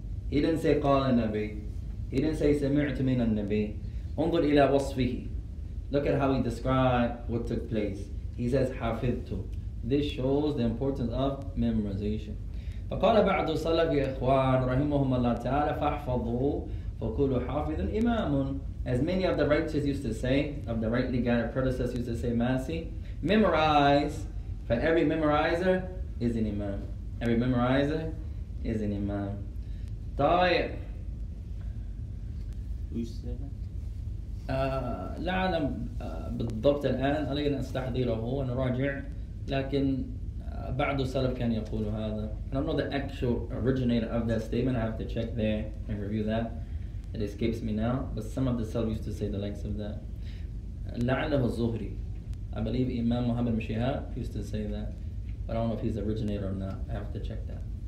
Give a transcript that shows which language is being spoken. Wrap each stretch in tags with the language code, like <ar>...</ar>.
<en>He didn't say</en> <ar>قال النبي.</ar> <en>He didn't say</en> <ar>سمعت من النبي. انظر إلى وصفه.</ar> <en>Look at how he described what took place. He says حافظت. This shows the importance of memorization.</en> <ar>فقال بعض السلف يا إخوان رحمهم الله تعالى فاحفظوا فكل حافظ إمام.</ar> <en>As many of the righteous used to say, of the rightly guided predecessors used to say, Masi, memorize, for every memorizer is an imam. Every memorizer is an imam.</en> <ar>طيب. لا أعلم بالضبط الآن علينا أستحضره ونراجع لكن بعض السلف كان يقول هذا.</ar> <en>I don't know the actual originator of that statement. I have to check there and review that. It escapes me now. But some of the salaf used to say the likes of that.</en> <ar>لعله الزهري.</ar> <en>I believe Imam Muhammad Mashiha used to say that, but I don't know if he's the originator or not. I have to check that.</en>